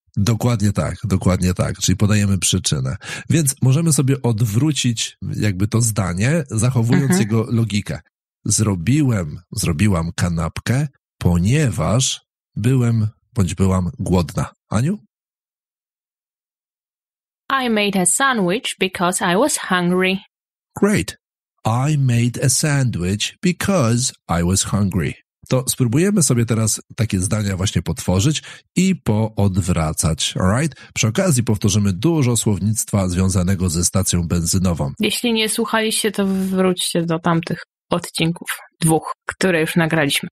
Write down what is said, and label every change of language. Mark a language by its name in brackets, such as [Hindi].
[Polish] Dokładnie tak, dokładnie tak. Czyli podajemy przyczynę. Więc możemy sobie odwrócić jakby to zdanie, zachowując jego logikę. Zrobiłam kanapkę, ponieważ byłem bądź byłam głodna. Aniu? [English] I made a sandwich because I was hungry. Great. I made a sandwich because I was hungry. [Polish] To spróbujemy sobie teraz takie zdania właśnie potworzyć i poodwracać, alright? Przy okazji powtórzymy dużo słownictwa związanego ze stacją benzynową. Jeśli nie słuchaliście, to wróćcie do tamtych odcinków, dwóch, które już nagraliśmy.